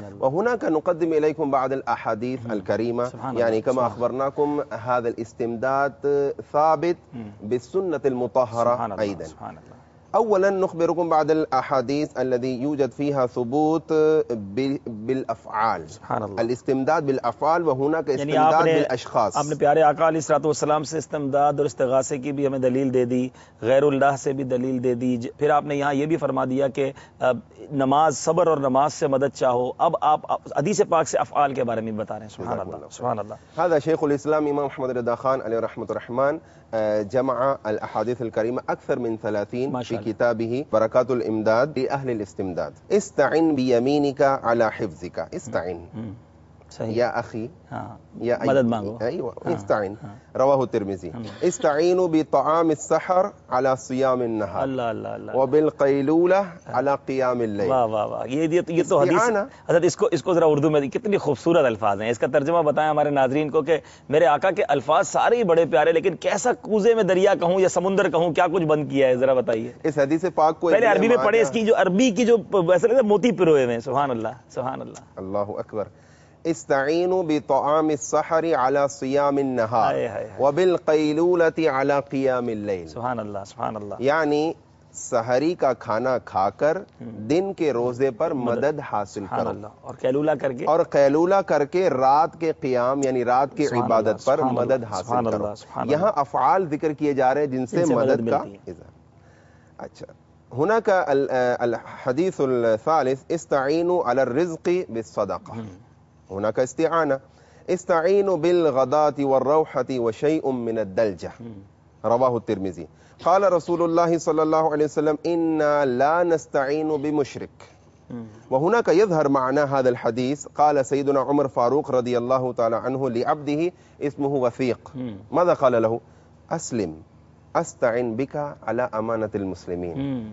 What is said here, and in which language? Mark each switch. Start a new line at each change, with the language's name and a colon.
Arabic: وهناك نقدم إليكم بعض الأحاديث الكريمة, يعني كما أخبرناكم هذا الاستمداد ثابت بالسنة المطهرة أيضا. اولا نخبركم بعض الاحاديث الذي يوجد فيها ثبوت بالافعال. سبحان الله. الاستمداد بالافعال وهناك استمداد يعني بالاشخاص.
Urdu: اپ نے پیارے آقا علیہ الصلوۃ والسلام سے استمداد اور استغاثے کی بھی ہمیں دلیل دے دی, غیر اللہ سے بھی دلیل دے دی, پھر آپ نے یہاں یہ بھی فرما دیا کہ نماز صبر اور نماز سے مدد چاہو, اب آپ حدیث پاک سے افعال کے بارے میں بتا رہے ہیں. سبحان اللہ. سبحان اللہ.
Arabic: هذا شيخ الاسلام امام احمد رضا خان علیہ رحمۃ الرحمن جمع الاحاديث الكريمه اكثر من 30 في كتابه بركات الامداد لاهل الاستمداد. استعن بيمينك على حفظك. استعن صحيح. يا اخي
Urdu: يا مدد مانگو.
Arabic: ايوه استعن. رواه الترمذي. استعينوا بطعام السحر على صيام النهار. الله الله الله. وبالقيلوله على قيام الليل.
Urdu: واہ واہ واہ, یہ یہ تو حدیث حضرت, اس کو ذرا اردو میں کتنی خوبصورت الفاظ ہیں, اس کا ترجمہ بتائیں ہمارے ناظرین کو کہ میرے آقا کے الفاظ سارے ہی بڑے پیارے, لیکن کیسا کوزے میں دریا کہوں یا سمندر کہوں, کیا کچھ بند کیا ہے ذرا بتائیے. اس حدیث پاک کو پہلے عربی میں پڑھے, اس کی جو عربی کی جو ویسے لگتا ہے موتی پروئے ہوئے. سبحان اللہ سبحان اللہ. اللہ اکبر.
Arabic: استعينوا بطعام السحر على صيام النهار وبالقيلولة على قيام الليل. سبحان الله سبحان الله. يعني
Urdu: سحری کا کھانا کھا کر دن کے روزے پر مدد حاصل کرو اور قیلولہ کر کے رات کے قیام یعنی رات کے عبادت پر مدد حاصل کرو. یہاں افعال ذکر کیے جا رہے ہیں جن سے مدد کا اظہار.
Arabic: اچھا هناك الحديث الثالث استعينوا على الرزق بالصدقة هناك استعانة استعينوا بالغداة والروحة وشيء من الدلجة رواه الترمذي قال رسول الله صلى الله عليه وسلم إنا لا نستعين بمشرك وهناك يظهر معنى هذا الحديث قال سيدنا عمر فاروق رضي الله تعالى عنه لعبده اسمه وثيق ماذا قال له أسلم استعن بك على امانة المسلمين